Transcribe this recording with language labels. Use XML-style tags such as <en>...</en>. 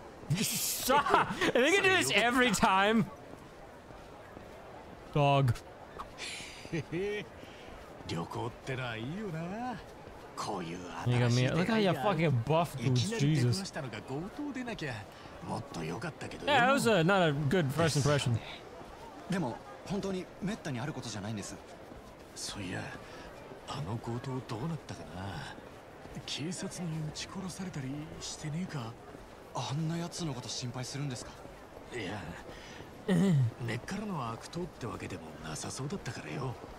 <en>Stop! They can do this every time. Dog.</en> <ja>旅行ってのはいいよな。こういう新しい出会いが。</ja> <en>Look how you're fucking buff, dude. Jesus.</en> <ja>いきなり出ましたのが強盗でなきゃ。もっと良かったけど。</ja> <en>Yeah, that was a, not a good first impression.</en> <ja>でも本当にめったにあることじゃないんです。そういや、あの強盗どうなったかな。警察に撃ち殺されたりしてねえか。あんな奴のこと心配するんですか。いや、根っからの悪党ってわけでもなさそうだったからよ。</ja>